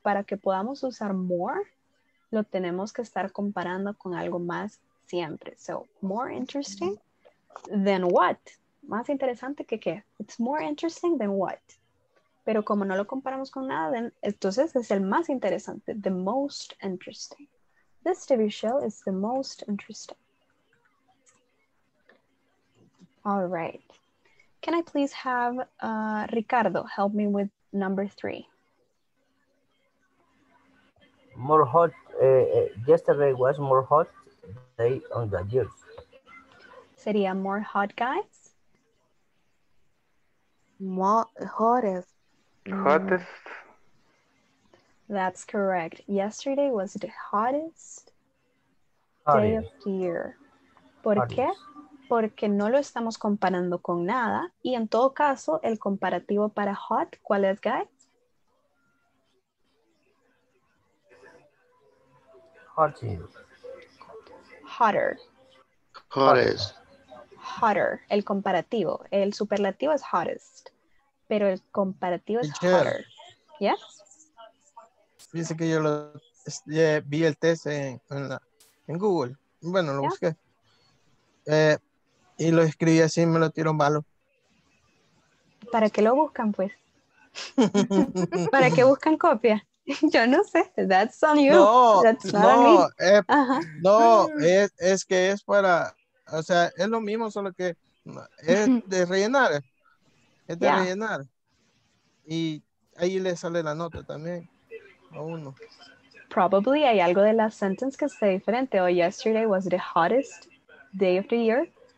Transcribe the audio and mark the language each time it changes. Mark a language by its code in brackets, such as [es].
[es] Para que podamos usar more, lo tenemos que estar comparando con algo más siempre. [en] So, more interesting than what? [es] Más interesante que qué? [en] It's more interesting than what? [es] Pero como no lo comparamos con nada, entonces es el más interesante. [en] The most interesting. This TV show is the most interesting. All right. Can I please have Ricardo help me with number three? More hot. Yesterday was more hot day on the years. [es] Sería more hot, guys? [en] More hottest. Hottest. That's correct. Yesterday was the hottest day of the year. [es] ¿Por qué? Porque no lo estamos comparando con nada. Y en todo caso, el comparativo para hot, ¿cuál es, guys? [en] Hotter. Hottest. [es] Hotter. El comparativo. El superlativo es hottest. Pero el comparativo es hotter. Yes? Dice que yo lo vi el test en Google. Bueno, lo busqué. Y lo escribí así y me lo tiró malo. ¿Para qué lo buscan, pues? ¿Para qué buscan copia? Yo no sé. [en] That's on you. No, that's not on me. [es] No, es que es para, o sea, es lo mismo, solo que es de rellenar. Es de rellenar. Y ahí le sale la nota también a uno. Probably hay algo de la sentence que esté diferente. [en] O yesterday was the hottest day of the year.